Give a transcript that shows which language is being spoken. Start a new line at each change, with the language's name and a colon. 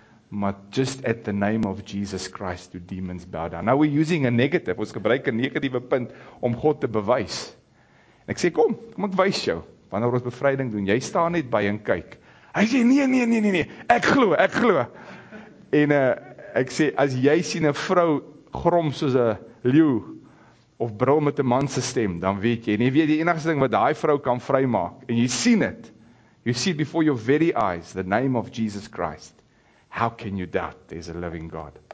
English: But just at the name of Jesus Christ do demons bow down. Now we're using a negative.
Afrikaans: Ons gebruik 'n negatiewe punt om God te bewys. En ek sê kom ek wys jou. Wanneer ons bevryding doen, jy staan net by en kyk. Hy sê nee. Ek glo. En ek sê as jy sien 'n vrou grom soos 'n leeu of brul met 'n man se stem, dan weet jy, nie weet die enigste ding wat daai vrou kan vrymaak. En jy sien dit.
English: You see before your very eyes the name of Jesus Christ. How can you doubt there's a living God?